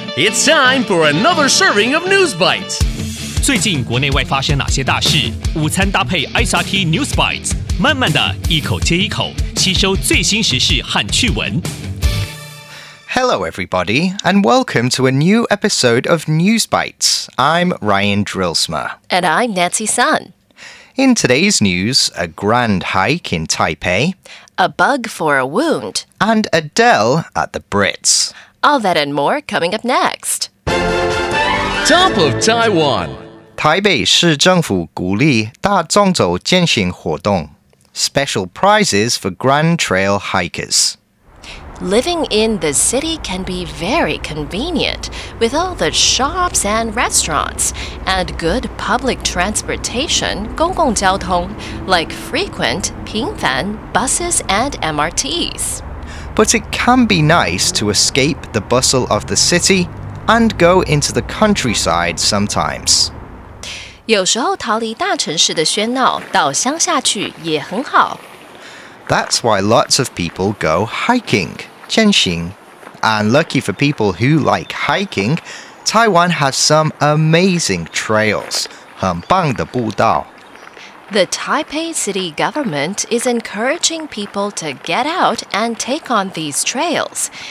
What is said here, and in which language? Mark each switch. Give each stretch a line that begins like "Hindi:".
English: It's time for another serving of News Bites.
Chinese: 最近国内外发生哪些大事？午餐搭配 SRT News Bites， 慢慢的一口接一口，吸收最新时事和趣闻。
English: Hello, everybody, and welcome to a new episode of News Bites. I'm Ryan Drilsma. And I'm Nancy Sun. In today's news, a grand hike in Taipei, a bug for a wound, and Adele at the Brits. All that and more coming up next. Top of Taiwan.
Chinese: 台北市政府鼓励大众走健行活动。
English: Special prizes for grand trail hikers. Living in the city can be very convenient, with all the shops and restaurants, and good public transportation,
Chinese: 公共交通,
English: like frequent,
Chinese: 频繁,
English: buses and MRTs. But it can be nice to escape the bustle of the city and go into the countryside sometimes.
Chinese: 有时候逃离大城市的喧闹,到乡下去也很好。
English: That's why lots of people go hiking, 健行. And lucky for people who like hiking, Taiwan has some amazing trails,
Chinese: 很棒的步道.
English: The Taipei city government is encouraging people to get out and take on these trails.